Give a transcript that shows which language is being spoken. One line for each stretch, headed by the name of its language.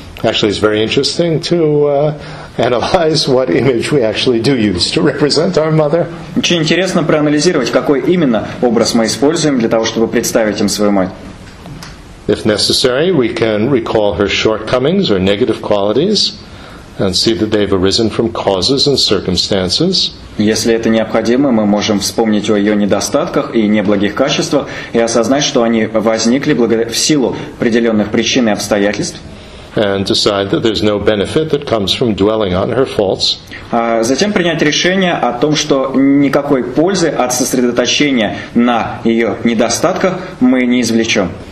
English: Actually, it's very interesting to analyze what image we actually do use to represent our mother.
Russian: Очень интересно проанализировать, какой именно образ мы используем для того, чтобы представить им свою мать.
English: If necessary, we can recall her shortcomings or negative qualities and see that they've arisen from causes and circumstances.
Russian: Если это необходимо, мы можем вспомнить о ее недостатках и неблагих качествах и осознать, что они возникли в силу определенных причин и обстоятельств.
English: And decide that there's no benefit that comes from dwelling on her faults.
Russian: Затем принять решение о том, что никакой пользы от сосредоточения на ее недостатках мы не извлечем.